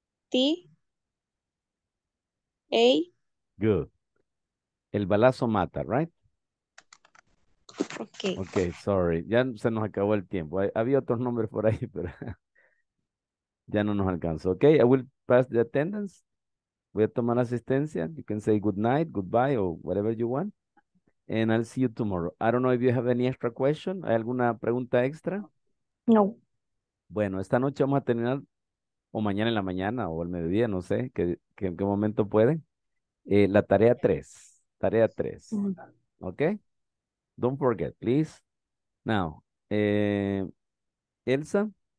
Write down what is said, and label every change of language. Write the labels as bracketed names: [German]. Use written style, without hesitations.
[Spanish] T-A. Good. El balazo mata, right? [English] Okay. [Spanish] Okay, sorry. Ya se nos acabó el tiempo. Había otros nombres por ahí, pero ya no nos alcanzó. [English] Okay, I will pass the attendance. [Spanish] Voy a tomar asistencia. [English] You can say good night, goodbye, or whatever you want. And I'll see you tomorrow. I don't know if you have any extra question. [Spanish] ¿Hay alguna pregunta extra? No. Bueno, esta noche vamos a terminar, o mañana en la mañana, o al mediodía, no sé, que en qué momento pueden. La tarea 3. Tarea 3. Mm-hmm. Ok. [English] Don't forget, please. Now, Elsa.